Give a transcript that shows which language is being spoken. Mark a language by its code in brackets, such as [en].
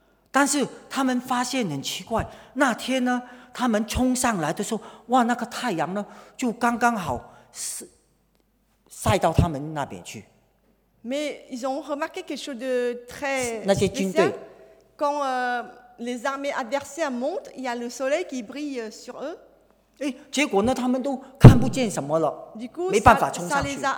[zh] 但是他们发现很奇怪，那天呢，他们冲上来的时候，哇，那个太阳呢，就刚刚好晒到他们那边去。 [fr] Mais ils ont remarqué quelque chose de très. [zh] 那些军队。 [fr] Quand les armées adversaires montent, il y a le soleil qui brille sur eux. [zh] 哎，结果呢，他们都看不见什么了，没办法冲上去。